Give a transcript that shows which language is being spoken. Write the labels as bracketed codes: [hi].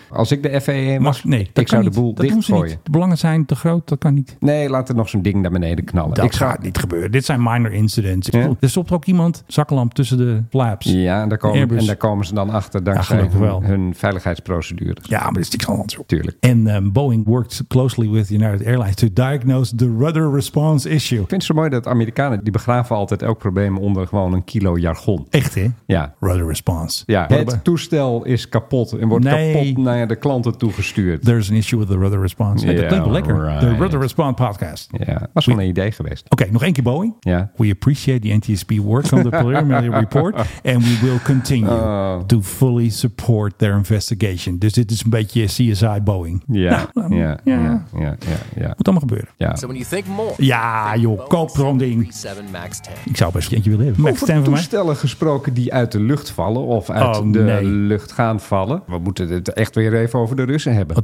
[nl] Als ik de FAA mag, nee, ik zou de boel dichtgooien. De belangen zijn te groot, dat kan niet. Nee, laat er nog zo'n ding naar beneden knallen. Dat gaat niet gebeuren. Dit zijn [en] minor incidents. [nl] Ja. Bedoel, er stopt ook iemand zakkenlamp tussen de flaps. Ja, en daar komen ze dan achter dankzij hun veiligheidsprocedures. Ja, maar dit is niks aan de hand. Tuurlijk. En [en] Boeing worked closely with United Airlines to diagnose the rudder response issue. [nl] Ik vind het zo mooi dat Amerikanen, die begraven altijd elk probleem onder gewoon een kilo jargon. Echt, hè? Ja. [en] Rudder response. [nl] Ja. Het het toestel is kapot en wordt kapot naar de klanten toegestuurd. [en] There's an issue with the rudder response. Hey, [nl] dat klinkt wel lekker. [en] Right. The rudder response podcast. [nl] Ja, was wel een idee geweest. Oké, nog één keer Boeing. [en] Yeah. We appreciate the NTSB work on the preliminary report and we will continue to fully support their investigation. [nl] Dus dit is een beetje CSI Boeing. Ja. Moet allemaal gebeuren. [en] Yeah. So when you think more, [nl] koop zo'n ding. Ik zou best eentje willen hebben. Max 10 voor mij. Toestellen gesproken die uit de lucht vallen of uit lucht gaan vallen. We moeten het echt weer even over de Russen hebben.